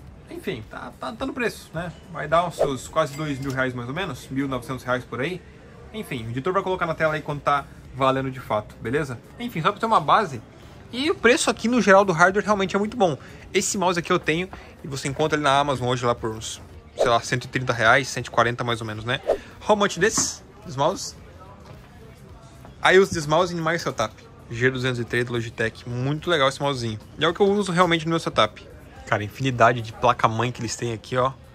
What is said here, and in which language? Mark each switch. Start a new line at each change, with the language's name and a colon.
Portuguese: Enfim, tá no preço, né? Vai dar os seus quase 2 mil reais mais ou menos, 1900 reais por aí. Enfim, o editor vai colocar na tela aí quanto tá valendo de fato, beleza? Enfim, só pra ter uma base. E o preço aqui no geral do hardware realmente é muito bom. Esse mouse aqui eu tenho, e você encontra ele na Amazon hoje lá por uns, sei lá, 130 reais, 140 mais ou menos, né?
English: How much this mouse? I use this mouse in my setup.
Portuguese: G203 da Logitech, muito legal esse mousezinho. E é o que eu uso realmente no meu setup. Cara, infinidade de placa-mãe que eles têm aqui, ó.